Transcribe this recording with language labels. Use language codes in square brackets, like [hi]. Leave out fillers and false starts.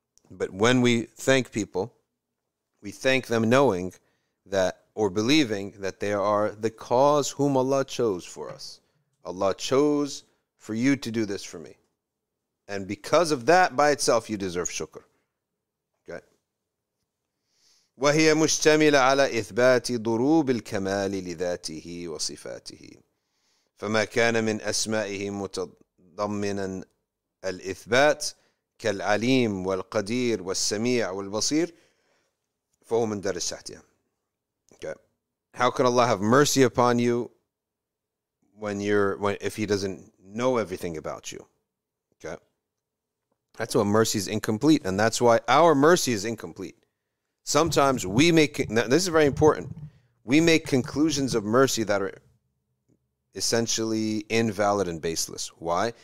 [en] But when we thank people, we thank them knowing that, or believing that they are the cause whom Allah chose for us. Allah chose for you to do this for me. And because of that by itself, you deserve shukr. Okay. [ar] وَهِيَ مُشْتَمِلَ عَلَى إِثْبَاتِ ضُرُوبِ الْكَمَالِ لِذَاتِهِ وَصِفَاتِهِ فَمَا كَانَ مِنْ أَسْمَائِهِ مُتَضَمِّنًا الْإِثْبَاتِ كالعليم والقدير والسميع والبصير فهو من دار الشحتية. [en] Okay, how can Allah have mercy upon you if He doesn't know everything about you? Okay, that's why mercy is incomplete, and that's why our mercy is incomplete. Sometimes we make, this is very important, we make conclusions of mercy that are essentially invalid and baseless. Why?